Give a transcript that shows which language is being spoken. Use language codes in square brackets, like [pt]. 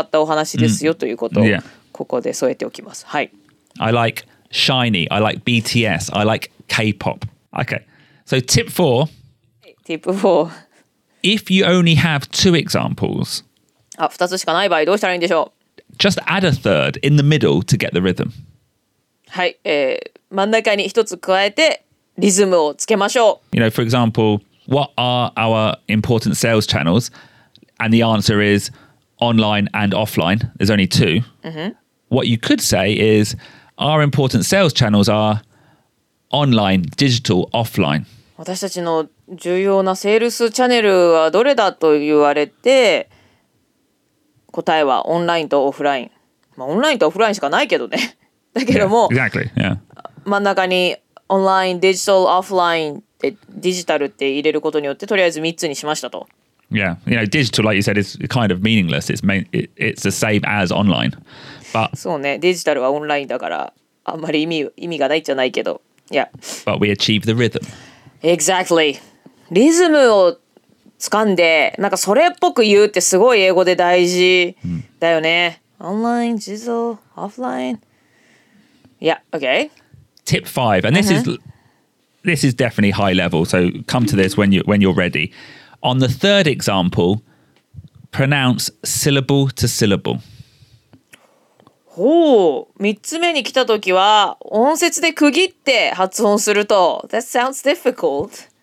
[ja] 違ったお話ですよということをここで添えておきます。はい。 [en] I like SHINee. I like BTS. I like K-pop. Okay. So tip 4. Tip 4. If you only have two examples, [ja] 2つしかない場合どうしたらいいんでしょう? [en] Just add a third in the middle to get the rhythm. [ja] はい、真ん中に1つ加えてリズムをつけましょう。 [en] You know, for example, what are our important sales channels? And the answer is online and offline. There's only two. What you could say is our important sales channels are online, digital, offline. [ja] 私たちの重要なセールスチャンネルはどれだと言われて、答えはオンラインとオフライン。まあ、オンラインとオフラインしかないけどね。だけども、 [en] yeah, exactly. yeah. [ja] 真ん中にオンライン、デジタル、オフライン、デジタルって入れることによって、とりあえず3つにしましたと。 [en] Yeah, you know, digital, like you said, is kind of meaningless. It's the same as online. But... [ja] そうね、デジタルはオンラインだから、あんまり意味がないじゃないけど。 [en] Yeah. But we achieve the rhythm. Exactly. [ja] リズムをつかんで、なんかそれっぽく言うってすごい英語で大事だよね。 [en] Online, digital, offline. Yeah, okay. Tip 5, and this is definitely high level, so come to this when you're ready. On the third example, pronounce syllable to syllable. [ja] おお、三つ目に来たときは音節で区切って発音すると [en] That sounds difficult.